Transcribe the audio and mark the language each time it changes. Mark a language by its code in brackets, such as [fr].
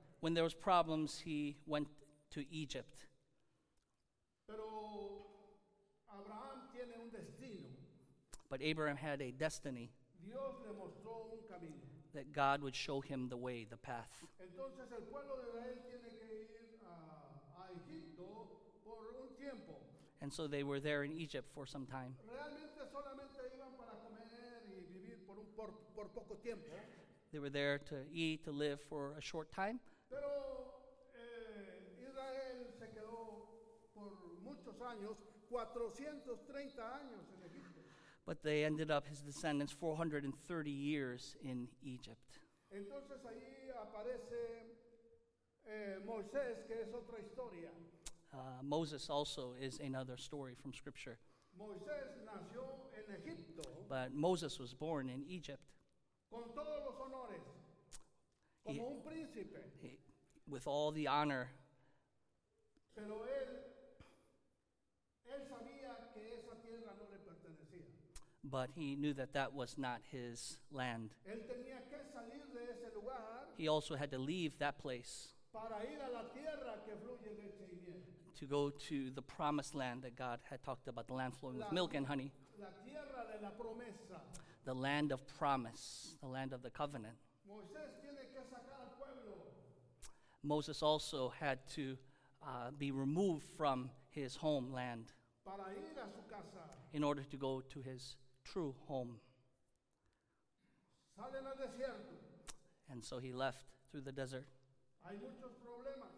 [en] When there was problems, he went to Egypt. [es] Pero Abraham tiene un destino. [en] But Abraham had a destiny. [es] Dios le mostró un camino. [en] That God would show him the way, the path. [es] Entonces el pueblo de Israel tiene que ir a Egipto por un tiempo. [en] And so they were there in Egypt for some time. [es] Realmente solamente iban para comer y vivir por poco tiempo. [en] They were there to eat, to live for a short time. [es] Pero Israel se quedó por muchos años, 430 años en Egipto. [en] But they ended up, his descendants, 430 years in Egypt. [es] Entonces ahí aparece Moisés, que es otra historia. [en] Moses also is another story from Scripture. [es] Moisés nació en Egipto. [en] But Moses was born in Egypt. [es] Con todos los honores, como un príncipe. [en] With all the honor. [es] Pero él sabía que esa tierra no le pertenecía. [en] But he knew that that was not his land. [es] Él tenía que salir de ese lugar. [en] He also had to leave that place [es] para ir a la tierra que fluye leche y miel. [en] To go to the promised land that God had talked about, the land flowing with milk and honey. [es] La tierra de la promesa. [en] The land of promise, the land of the covenant. [es] Moisés tiene que sacar al pueblo. [en] Moses also had to be removed from his homeland. [es] Para ir a su casa. [en] In order to go to his true home. [es] Salen al desierto. [en] And so he left through the desert. [es] Hay muchos problemas.